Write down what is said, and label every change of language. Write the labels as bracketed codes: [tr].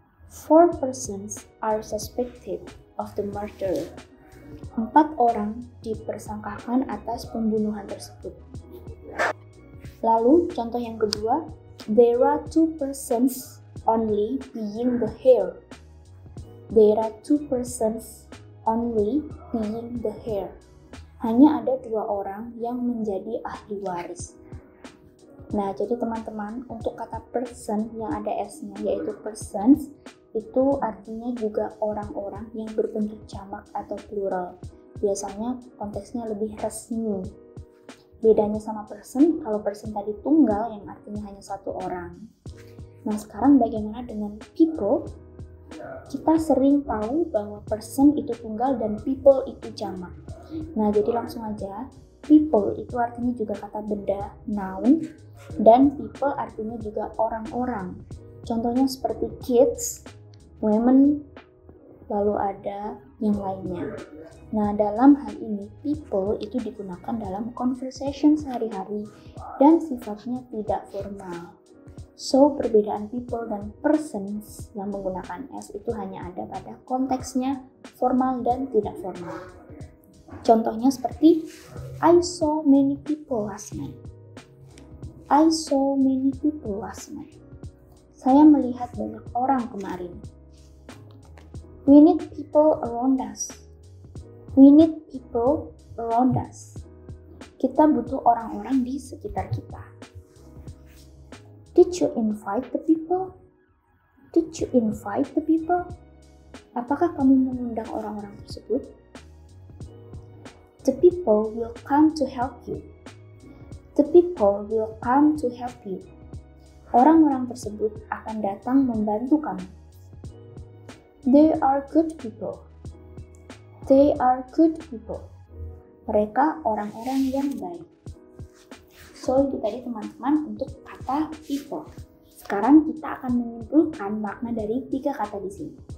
[en] 4 persons are suspected of the murder. [id] 4 orang dipersangkakan atas pembunuhan tersebut. Lalu, contoh yang kedua, [en] there are 2 persons only being the heir. There are 2 persons only being the heir. [id] Hanya ada 2 orang yang menjadi ahli waris. Nah, jadi teman-teman, untuk kata person yang ada S-nya, yaitu persons, itu artinya juga orang-orang yang berbentuk jamak atau plural. Biasanya konteksnya lebih resmi. Bedanya sama person, kalau person tadi tunggal yang artinya hanya satu orang. Nah, sekarang bagaimana dengan people? Kita sering tahu bahwa person itu tunggal dan people itu jamak. Nah, jadi langsung aja, people itu artinya juga kata benda, noun, dan people artinya juga orang-orang. Contohnya seperti kids, women, lalu ada yang lainnya. Nah, dalam hal ini, people itu digunakan dalam conversation sehari-hari dan sifatnya tidak formal. So, perbedaan people dan persons yang menggunakan S itu hanya ada pada konteksnya formal dan tidak formal. Contohnya seperti, [en] I saw many people last night. I saw many people last night. [id] Saya melihat banyak orang kemarin. [en] We need people around us. We need people around us. [id] Kita butuh orang-orang di sekitar kita. [en] Did you invite the people? Did you invite the people? [id] Apakah kamu mengundang orang-orang tersebut? [en] The people will come to help you. The people will come to help you. [id] orang-orang tersebut akan datang membantu kamu. [en] They are good people. They are good people. [id] Mereka orang-orang yang baik. So, itu tadi teman-teman untuk kata people. Sekarang kita akan menyimpulkan makna dari tiga kata di sini.